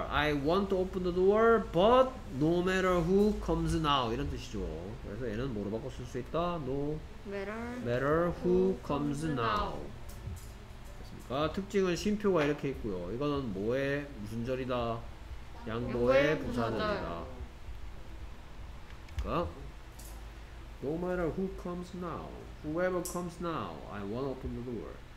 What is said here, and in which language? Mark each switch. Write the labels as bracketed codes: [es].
[en] I want to open the door, but no matter who comes now 이런 뜻이죠. [ko] 그래서 얘는 뭐로 바꿔 쓸 수 있다? [en] No matter who comes now. [ko] 됐습니까? 특징은 쉼표가 이렇게 있고요. 이거는 뭐의 무슨 절이다? 양보의 부사절이다. 그러니까 [en] no matter who comes now, whoever comes now, I want to open the door.